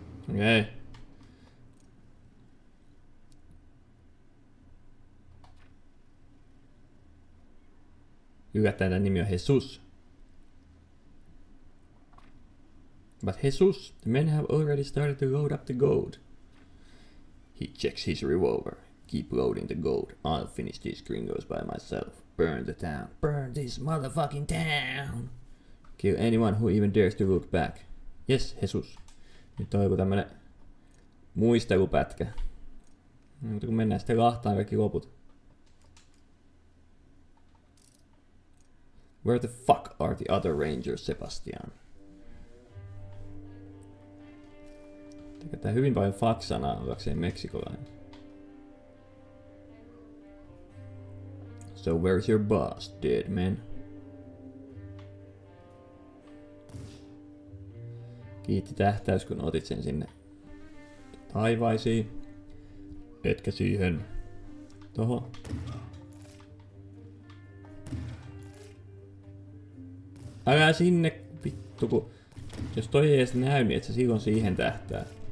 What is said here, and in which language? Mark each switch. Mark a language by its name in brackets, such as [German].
[Finnish] Okei. Yllättäen tämän nimi on Jesus. [English] But Jesus, the men have already started to load up the gold. He checks his revolver. Keep loading the gold. I'll finish these gringos by myself. Burn the town. Burn this motherfucking town. Kill anyone who even dares to look back. Yes, Jesus. [Finnish] Nyt on joku tämmönen muistelupätkä. No, mutta kun mennään sitten lahtaan kaikki loput. [English] Where the fuck are the other rangers, Sebastian? [Finnish] Tää hyvin paljon faksanaa ollakseen meksikolainen. [English] So where's your boss, dead man? [Finnish] Kiitti tähtäys, kun otit sen sinne taivaisiin. Etkä siihen toho. Älä sinne, vittu, kun jos toi ei edes näy, niin et sä silloin siihen tähtää.